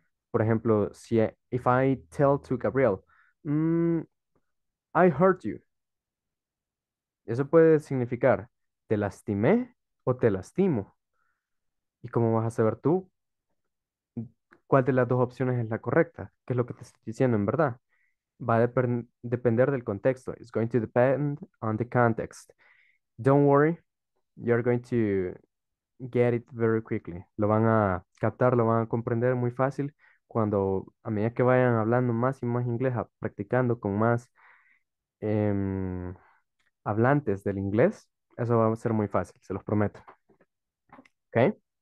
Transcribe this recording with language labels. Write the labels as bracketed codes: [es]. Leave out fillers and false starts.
[es] Por ejemplo, si [en] if I tell to Gabriel, I hurt you. [es] Eso puede significar te lastimé o te lastimo. ¿Y cómo vas a saber tú cuál de las dos opciones es la correcta? ¿Qué es lo que te estoy diciendo en verdad? Va a depender del contexto. [en] It's going to depend on the context. Don't worry, you're going to get it very quickly. [es] Lo van a captar, lo van a comprender muy fácil cuando, a medida que vayan hablando más y más inglés, practicando con más hablantes del inglés, eso va a ser muy fácil, se los prometo. [en] Okay.